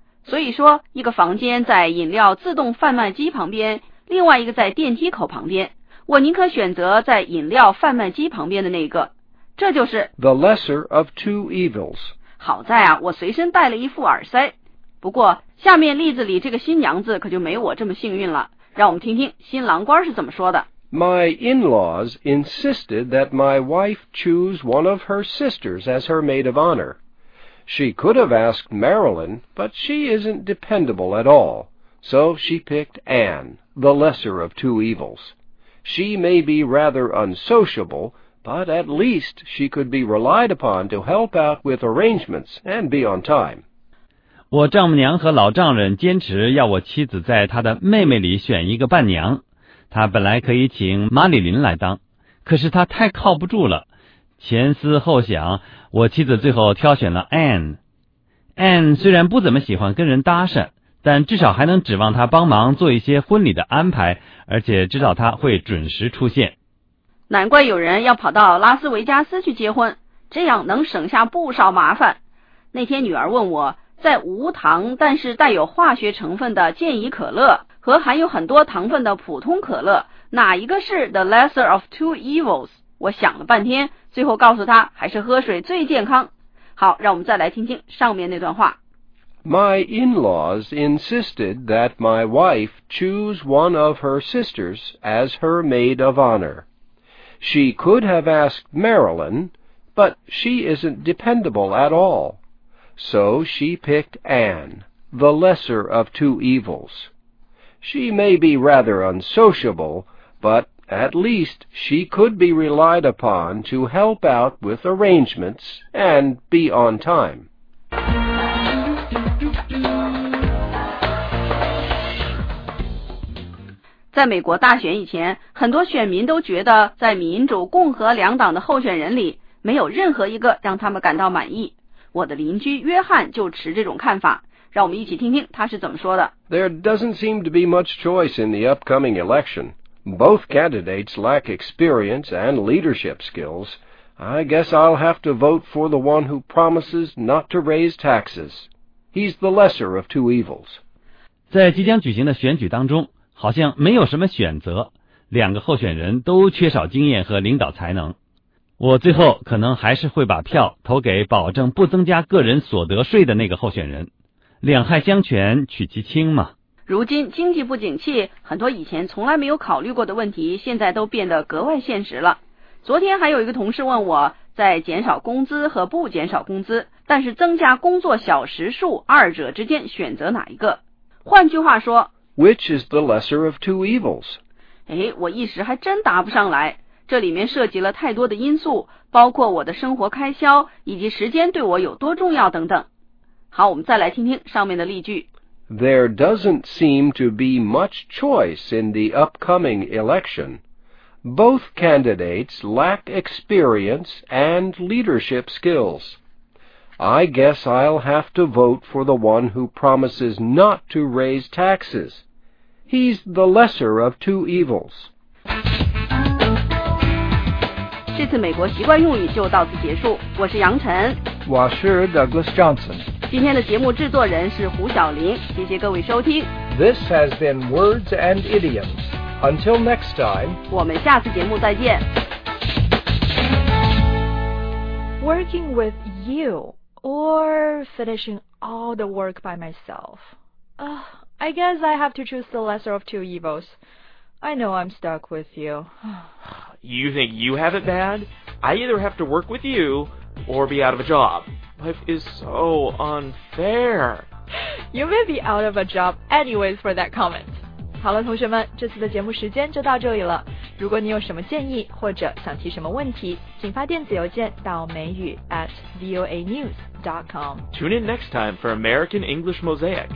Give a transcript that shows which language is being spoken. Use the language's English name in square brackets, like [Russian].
[Chinese] 所以说一个房间在饮料自动贩卖机旁边，另外一个在电梯口旁边，我宁可选择在饮料贩卖机旁边的那个，这就是 [English] The lesser of two evils. [Chinese] 好在啊，我随身带了一副耳塞。不过下面例子里这个新娘子可就没我这么幸运了，让我们听听新郎官是怎么说的。 [English] My in-laws insisted that my wife choose one of her sisters as her maid of honor. She could have asked Marilyn, but she isn't dependable at all. So she picked Anne, the lesser of two evils. She may be rather unsociable, but at least she could be relied upon to help out with arrangements and be on time. [Chinese] 我丈母娘和老丈人坚持要我妻子在她的妹妹里选一个伴娘。她本来可以请玛丽琳来当，可是她太靠不住了。前思后想，我妻子最后挑选了 Anne。 Anne 虽然不怎么喜欢跟人搭讪，但至少还能指望他帮忙做一些婚礼的安排，而且知道他会准时出现。难怪有人要跑到拉斯维加斯去结婚，这样能省下不少麻烦。那天女儿问我，在无糖但是带有化学成分的健怡可乐和含有很多糖分的普通可乐，哪一个是 [English] the lesser of two evils？ [Chinese] 我想了半天，最后告诉她还是喝水最健康。好，让我们再来听听上面那段话。 [English] My in-laws insisted that my wife choose one of her sisters as her maid of honor. She could have asked Marilyn, but she isn't dependable at all. So she picked Anne, the lesser of two evils. She may be rather unsociable, but at least she could be relied upon to help out with arrangements and be on time. [Chinese] 在美国大选以前，很多选民都觉得在民主共和两党的候选人里没有任何一个让他们感到满意。我的邻居约翰就持这种看法，让我们一起听听他是怎么说的。 [English] There doesn't seem to be much choice in the upcoming election. Both candidates lack experience and leadership skills. I guess I'll have to vote for the one who promises not to raise taxes. He's the lesser of two evils. [Chinese] 在即将举行的选举当中，好像没有什么选择，两个候选人都缺少经验和领导才能。我最后可能还是会把票投给保证不增加个人所得税的那个候选人。两害相权取其轻嘛。如今经济不景气，很多以前从来没有考虑过的问题现在都变得格外现实了。昨天还有一个同事问我，在减少工资和不减少工资，但是增加工作小时数二者之间选择哪一个。换句话说， [English] Which is the lesser of two evils? [Chinese] 哎，我一时还真答不上来。这里面涉及了太多的因素，包括我的生活开销，以及时间对我有多重要等等。好，我们再来听听上面的例句。 [English] There doesn't seem to be much choice in the upcoming election. Both candidates lack experience and leadership skills. I guess I'll have to vote for the one who promises not to raise taxes. He's the lesser of two evils. [Chinese] 这次美国习惯用语就到此结束。我是杨晨。我是 Douglas Johnson。今天的节目制作人是胡晓玲。谢谢各位收听。 [English] This has been Words and Idioms. Until next time. [Chinese] 我们下次节目再见。 [English] Working with you. Or finishing all the work by myself. I guess I have to choose the lesser of two evils. I know I'm stuck with you. You think you have it bad? I either have to work with you or be out of a job. Life is so unfair. You may be out of a job anyways for that comment. [Chinese] 好了，同学们，这次的节目时间就到这里了。如果你有什么建议或者想提什么问题，请发电子邮件到美语@voanews.com. [English] Tune in next time for American English Mosaic.